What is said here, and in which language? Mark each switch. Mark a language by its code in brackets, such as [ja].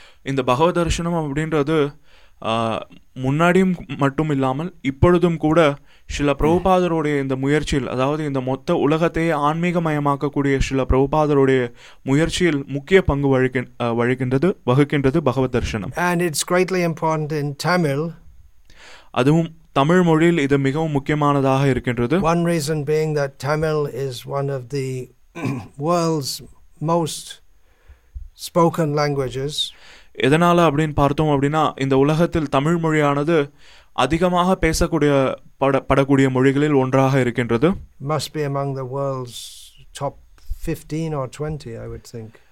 [ta] இந்த பகவத் தரிசனம் அப்படின்றது முன்னாடியும் மட்டும் இல்லாமல் இப்பொழுதும் கூட ஸ்ரீல பிரபுபாதருடைய இந்த முயற்சியில், அதாவது இந்த மொத்த உலகத்தையே ஆன்மீகமயமாக்கக்கூடிய ஸ்ரீல பிரபுபாதருடைய முயற்சியில் முக்கிய பங்கு வகிக்கின்றது பகவத் தரிசனம். [en] And it's greatly important in Tamil. [ta] அதுவும் தமிழ் மொழியில் இது மிகவும் முக்கியமானதாக இருக்கின்றது. [en] One reason being that Tamil is one of the world's most spoken languages. [ta] எதனால் அப்படின்னு பார்த்தோம் அப்படின்னா, இந்த உலகத்தில் தமிழ் மொழியானது அதிகமாக பேசக்கூடிய படக்கூடிய மொழிகளில் ஒன்றாக இருக்கின்றது. [en] Must be among the world's top 15 or 20, I would think.